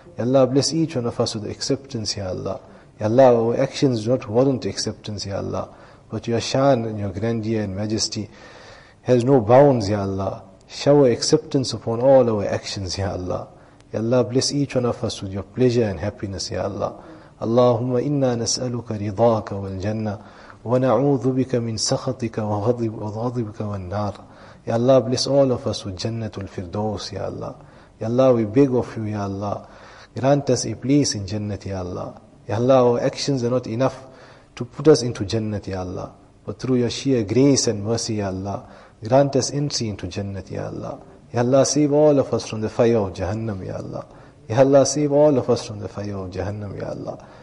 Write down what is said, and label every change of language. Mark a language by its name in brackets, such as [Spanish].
[English] Ya Allah, bless each one of us with acceptance, Ya Allah. Ya Allah, our actions do not warrant acceptance, Ya Allah. But Your shan and Your grandeur and majesty has no bounds, Ya Allah. Shower acceptance upon all our actions, Ya Allah. Ya Allah, bless each one of us with Your pleasure and happiness, Ya Allah. [Arabic] Allahumma inna nas'aluka ridaaka wal jannah. ونعوذ بك من سخطك وغضبك والنار. [English] يا الله bless all of us with جنة الفردوس يا الله. يا الله we beg of you يا الله. Grant us a place in جنة يا الله. يا الله our actions are not enough to put us into جنة يا الله. But through your sheer grace and mercy يا الله. Grant us entry into جنة يا الله. يا الله save all of us from the fire of جهنم يا الله. يا الله save all of us from the fire of جهنم يا الله.